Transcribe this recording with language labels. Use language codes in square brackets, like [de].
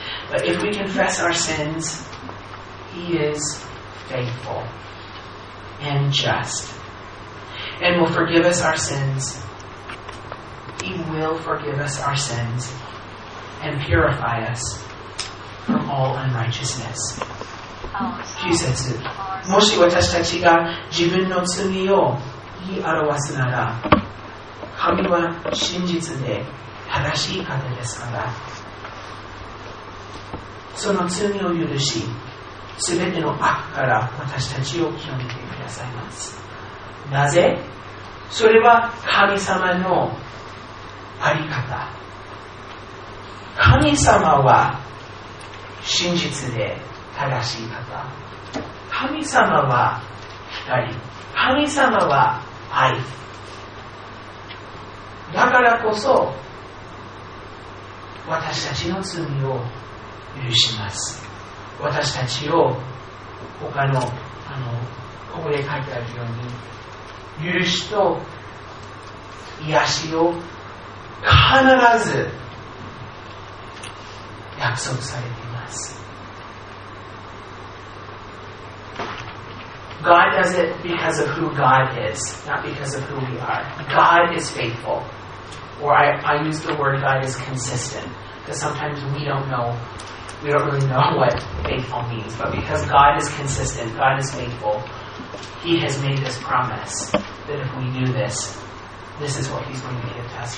[en] But if we confess our sins, He is faithful and just and will forgive us our sins. He will forgive us our sins and purify us from all unrighteousness. [ja] Jesus, もし私たちが自分の罪を言い表すなら、神は真実で正しい方ですから、その罪を許し、すべての悪から私たちを清めてくださいます。なぜ？それは神様のあり方。神様は真実で正しい方。神様は光、神様は愛。だからこそ私たちの罪を許します。私たちを他 の, あのここで書いてあるように許しと癒しを必ず約束されています。 [en] God does it because of who God is, not because of who we are. God is faithful. Or I use the word God is consistent, because sometimes we don't really know what faithful means. But because God is consistent, God is faithful, He has made this promise that if we do this, this is what He's going to give to us.